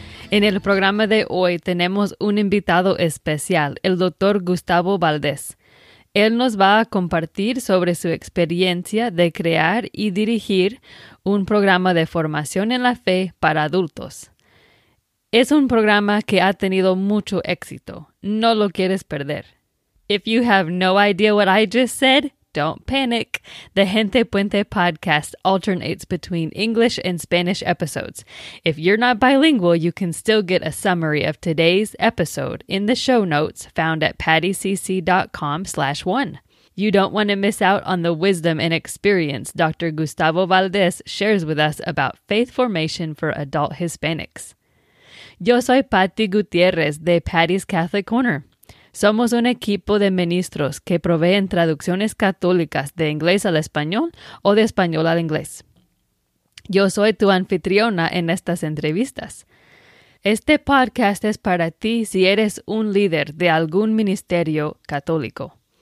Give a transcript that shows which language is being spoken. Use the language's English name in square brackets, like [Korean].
[Spanish] En el programa de hoy tenemos un invitado especial, el Dr. Gustavo Valdez. Él nos va a compartir sobre su experiencia de crear y dirigir un programa de formación en la fe para adultos. Es un programa que ha tenido mucho éxito. No lo quieres perder. [English] If you have no idea what I just said, don't panic. The Gente Puente podcast alternates between English and Spanish episodes. If you're not bilingual, you can still get a summary of today's episode in the show notes found at pattycc.com/1. You don't want to miss out on the wisdom and experience Dr. Gustavo Valdez shares with us about faith formation for adult Hispanics. [Spanish] Yo soy Patti Gutiérrez de Patty's Catholic Corner. Somos un equipo de ministros que proveen traducciones católicas de inglés al español o de español al inglés. Yo soy tu anfitriona en estas entrevistas. Este podcast es para ti si eres un líder de algún ministerio católico.